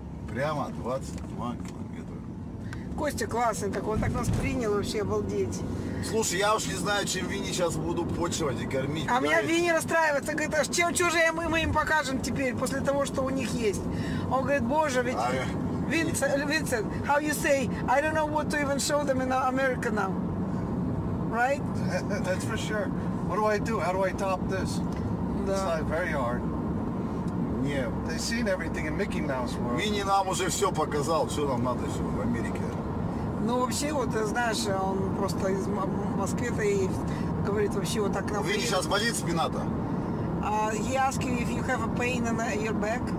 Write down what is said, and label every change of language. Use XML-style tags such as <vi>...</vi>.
<ru>Прямо 22 километра. Костя классный такой, он так нас принял вообще, обалдеть. Слушай, я уж не знаю, чем Винни сейчас буду почивать и кормить. А меня Винни расстраивается, говорит, а что же мы им покажем теперь, после того, что у них есть? Он говорит, боже, ведь...</ru> <en>Vincent, how you say, I don't know what to even show them in America now, right? That's for sure. What do? How do I top this?</en> <ru>Да.</ru> <en>It's like very hard.</en> <ru>Нет.</ru> <en>They've seen everything in Mickey Mouse world.</en> <ru>Винни нам уже все показал, что нам надо еще в Америке. Ну, вообще, вот, ты знаешь, он просто из Москвы-то и говорит вообще вот так... Винни сейчас болит спина-то?</ru> <en>He asked you if you have a pain in your back.</en>